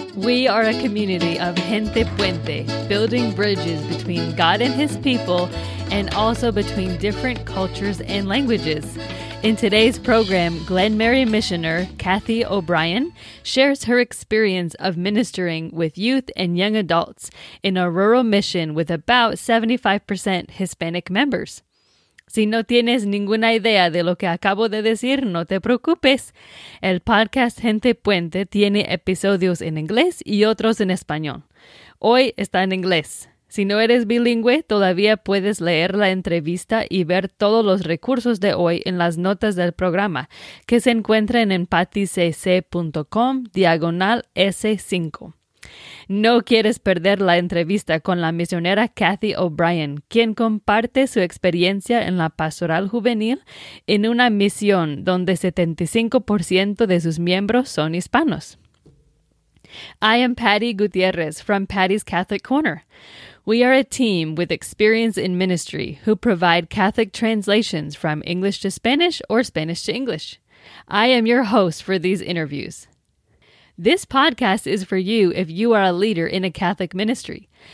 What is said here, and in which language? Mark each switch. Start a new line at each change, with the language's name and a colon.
English: We are a community of Gente Puente, building bridges between God and His people, and also between different cultures and languages. In today's program, Glen Mary Missioner Kathy O'Brien shares her experience of ministering with youth and young adults in a rural mission with about 75% Hispanic members.
Spanish: Si no tienes ninguna idea de lo que acabo de decir, no te preocupes. El podcast Gente Puente tiene episodios en inglés y otros en español. Hoy está en inglés. Si no eres bilingüe, todavía puedes leer la entrevista y ver todos los recursos de hoy en las notas del programa, que se encuentran en paticc.com/S5. No quieres perder la entrevista con la misionera Kathy O'Brien, quien comparte su experiencia en la pastoral juvenil en una misión donde 75% de sus miembros son hispanos.
English: I am Patty Gutierrez from Patty's Catholic Corner. We are a team with experience in ministry who provide Catholic translations from English to Spanish or Spanish to English. I am your host for these interviews. This podcast is for you if you are a leader in a Catholic ministry.